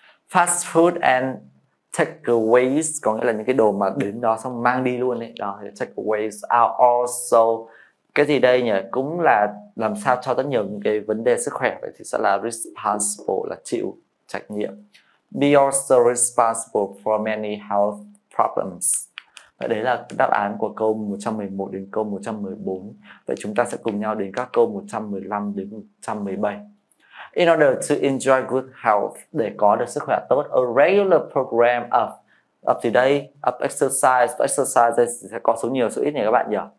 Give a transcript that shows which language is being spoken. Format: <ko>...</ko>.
<en>Fast food and takeaways,</en> <vi>có nghĩa là những cái đồ mà đến đó xong mang đi luôn ấy. Đó,</vi> <en>takeaways are also</en> <vi>cái gì đây nhỉ? Cũng là làm sao cho rất nhiều những cái vấn đề sức khỏe. Vậy thì sẽ là responsible, là chịu trách nhiệm.</vi> <en>Be also responsible for many health problems.</en> <vi>Vậy đấy là đáp án của câu 111 đến câu 114. Vậy chúng ta sẽ cùng nhau đến các câu 115 đến 117.</vi> <en>In order to enjoy good health,</en> <vi>để có được sức khỏe tốt,</vi> <en>a regular program of today, of exercise, exercises</en> <vi>sẽ có số nhiều số ít này các bạn nhỉ?</vi>